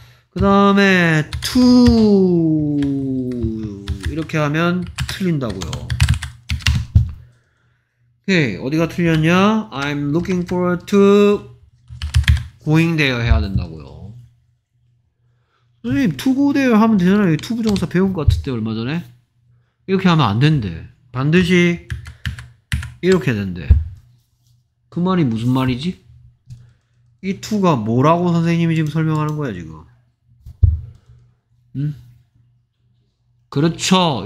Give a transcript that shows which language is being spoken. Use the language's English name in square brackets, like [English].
[Korean] 그 다음에 to 이렇게 하면 틀린다고요. 오케이, 어디가 틀렸냐? [English] I'm looking forward to going there [Korean] 해야 된다고요. 선생님, [English] to go there [Korean] 하면 되잖아요. to 부정사 배운 것 같은데, 얼마 전에. 이렇게 하면 안 된대. 반드시 이렇게 된대. 그 말이 무슨 말이지? 이 to가 뭐라고 선생님이 지금 설명하는 거야, 지금? 응? 그렇죠.